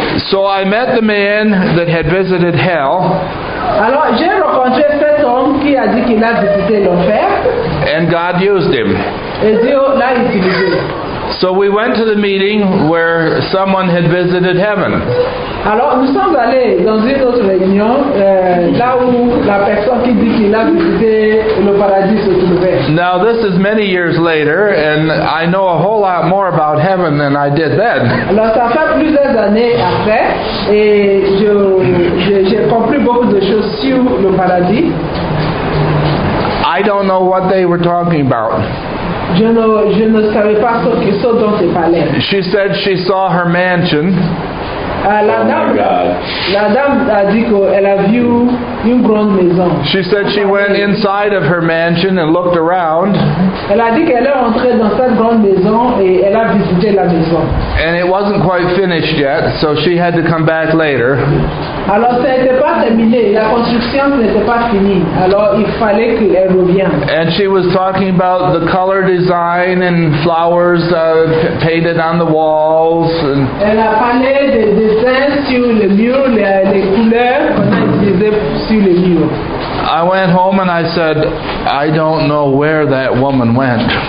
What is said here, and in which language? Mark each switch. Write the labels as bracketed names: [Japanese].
[English] So I met the man that had visited hell. [French] Alors, j'ai rencontré cet homme qui a dit qu'il a visité l'enfer. [English] And God used him. [French] Et Dieu l'a utilisé. [English] So we went to the meeting where someone had visited heaven. [French] Alors, nous sommes allés dans une autre réunion, là où la personne qui dit qu'il a visité le paradis se trouvait. [English] Now, this is many years later, and I know a whole lot more about heaven than I did then. [French] Alors, ça fait plusieurs années après, et j'ai compris beaucoup de choses sur le paradis. [English] I don't know what they were talking about. [French] Je ne savais pas ce dont il parlait. [English] She said she saw her mansion. [French] La dame a dit qu'elle a vu une grande maison. [English] She said she went inside of her mansion and looked around. [French] Elle a dit qu'elle est entrée dans cette grande maison et elle a visité la maison. [English] And it wasn't quite finished yet, so she had to come back later. [French] Alors ça n'était pas terminé, la construction n'était pas finie. Alors il fallait qu'elle revienne. [English] And she was talking about the color design and flowers painted on the walls. And [French] elle a parlé de dessins sur les murs, les couleurs qu'on a utilisées sur les murs. [English] I went home and I said, I don't know where that woman went.